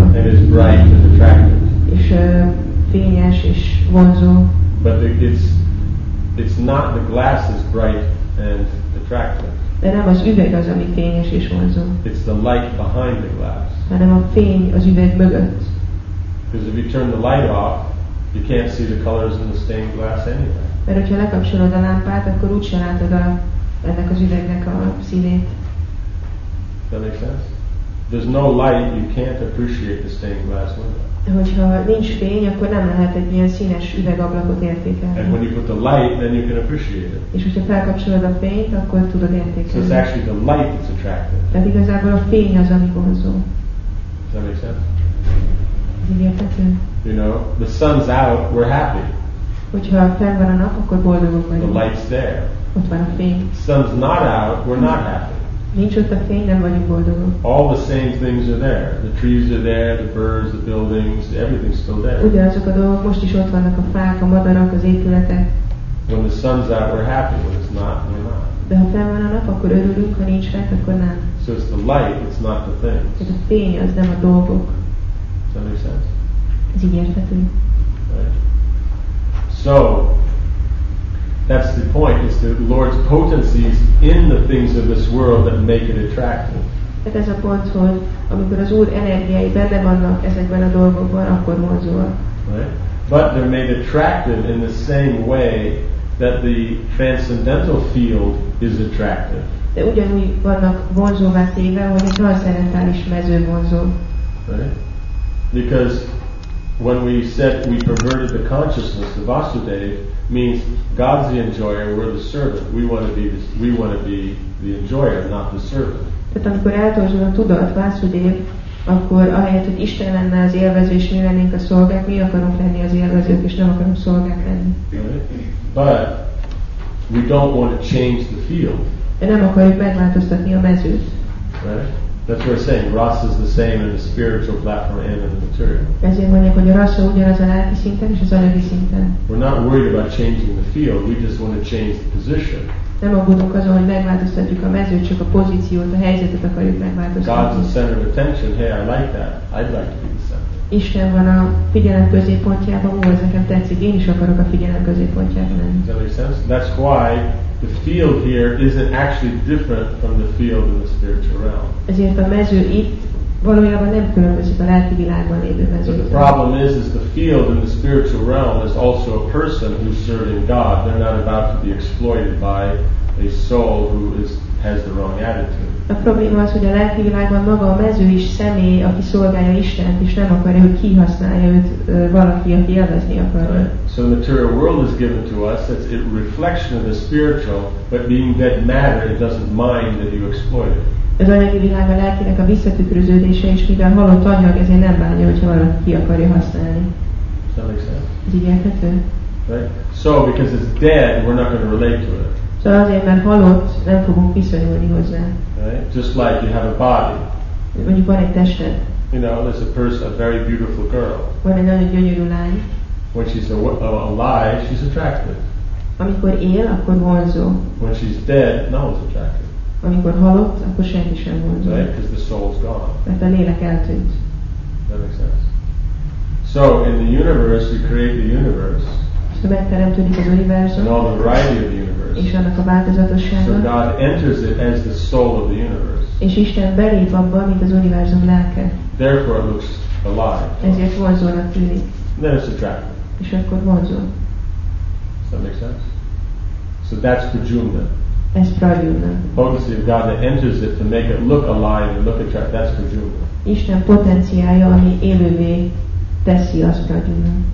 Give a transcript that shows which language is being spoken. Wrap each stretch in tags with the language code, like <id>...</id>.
<en>And it's bright and attractive.</en> <hu>És fényes és vonzó.</hu> <en>But it's not the glass is bright and attractive.</en> <hu>De nem az üveg az, ami fényes és vonzó.</hu> <en>It's the light behind the glass.</en> <hu>Hanem a fény az üveg mögött.</hu> <en>Because if you turn the light off, you can't see the colors in the stained glass anyway.</en> <hu>Mert hogyha lekapcsolod a lámpát, akkor úgy sem látod ennek az üvegnek a színét.</hu> <en>That makes sense? There's no light, you can't appreciate the stained glass window.</en> <hu>Hogyha nincs fény, akkor nem lehet egy ilyen színes üvegablakot értékelni.</hu> <en>And when you put the light, then you can appreciate it.</en> <hu>És hogyha felkapcsolod a fényt, akkor tudod értékelni.</hu> <en>So it's actually the light that's attractive.</en> <hu>Tehát igazából a fény az, ami vonzó.</hu> <en>Does that make sense? You know, the sun's out, we're happy.</en> <hu>Hogyha fenn van a nap, akkor boldogok vagyunk.</hu> <en>The light's there.</en> <hu>Ott van a fény.</hu> <en>Sun's not out, we're not happy.</en> <hu>Nincs ott a fény, nem vagyunk boldogok.</hu> <en>All the same things are there. The trees are there, the birds, the buildings, everything's still there.</en> <hu>Ugyanazok a dolgok, most is ott vannak a fák, a madarak, az épületek.</hu> <en>When the sun's out, we're happy. When it's not, we're not.</en> <hu>De ha fel van a nap, akkor örülünk, ha nincs fel, akkor nem.</hu> <en>So it's the light, it's not the things.</en> <hu>Tehát a fény, az nem a dolgok.</hu> <en>Does that make sense?</en> <hu>Ez így érthető.</hu> <en>Right. So, that's the point, is the Lord's potencies in the things of this world that make it attractive.</en> <hu>Ez a pont, hogy amikor az Úr energiái benne vannak ezekben a dolgokban, akkor vonzóak.</hu> <en>Right? But they're made attractive in the same way that the transcendental field is attractive.</en> <hu>De ugyanúgy vannak vonzóvá téve, hogy egy transzcendentális mező vonzó.</hu> <en>Right? Because when we said we perverted the consciousness, the Vasudeva, means God's the enjoyer, we're the servant. We want to be the enjoyer, not the servant.</en> <hu>Tehát amikor eltorzul a tudat, Vasudeva, akkor ahelyett, hogy Isten lenne az élvező, és mi lennénk a szolgák, mi akarunk lenni az élvezők, és nem akarunk szolgák lenni.</hu> <en>But we don't want to change the field.</en> <hu>De nem akarjuk megváltoztatni a mezőt.</hu> <en>Right? That's what we're saying. Rasa is the same in the spiritual platform and in the material.</en> <hu>Ezért mondjuk, hogy a rasa ugyanaz a lelki szinten és az anyagi szinten.</hu> <en>We're not worried about changing the field. We just want to change the position.</en> <hu>Nem aggódunk azon, hogy megváltoztatjuk a mezőt, csak a pozíciót, a helyzetet akarjuk megváltoztatni.</hu> <en>God's the center of attention. Hey, I like that. I'd like to be the center.</en> <hu>Isten van a figyelem középpontjában. Ó, ez nekem tetszik. Én is akarok a figyelem középpontjában lenni.</hu> <en>Does that make sense? That's why the field here isn't actually different from the field in the spiritual realm.</en> <hu>Ezért a mező itt valójában nem különbözik a lelki világban lévő mezőtől.</hu> <en>The problem is the field in the spiritual realm is also a person who's serving God. They're not about to be exploited by a soul who has the wrong attitude.</en> <hu>A probléma az, hogy a lelki világban maga a mező is személy, aki szolgálja Istent, és nem akarja, hogy kihasználja őt valaki, aki élvezni akar.</hu> <en>So the material world is given to us, it's a reflection of the spiritual, but being dead matter, it doesn't mind that you exploit it.</en> <hu>Az anyagi világ a lelkinek a visszatükröződése, és mivel halott anyag, ezért nem bánja, hogyha valaki ki akarja használni. Ez így érthető?</hu> <en>Right. So, because it's dead, we're not going to relate to it.</en> <hu>Szóval azért, mert halott, nem fogunk viszonyulni hozzá.</hu> <en>Right. Just like you have a body.</en> <hu>Mondjuk van egy tested.</hu> <en>You know, there's a person, a very beautiful girl.</en> <hu>Van egy nagyon gyönyörű lány.</hu> <en>When she's alive, she's attractive.</en> <hu>Amikor él, akkor vonzó.</hu> <en>When she's dead, no one's attractive.</en> <hu>Amikor halott, akkor senki sem volt.</hu> <en>Right, because the soul's gone.</en> <hu>Mert a lélek eltűnt.</hu> <en>That makes sense. So in the universe, you create the universe.</en> <hu>És megteremtődik az univerzum.</hu> <en>And all the variety of the universe.</en> <hu>És annak a változatossága.</hu> <en>So God enters it as the soul of the universe.</en> <hu>És Isten belép abban, mint az univerzum lelke.</hu> <en>Therefore, it looks alive.</en> <hu>Ezért vonzónak tűnik.</hu> <en>Then it's attractive.</en> <hu>És akkor vonzó.</hu> <en>That makes sense. So that's prajumna.</en> <hu>Ez prajuna.</hu> <en>The potency of God that enters it to make it look alive and look at you, that's prajuna.</en> <hu>Isten potenciája, ami élővé teszi, az prajuna.</hu>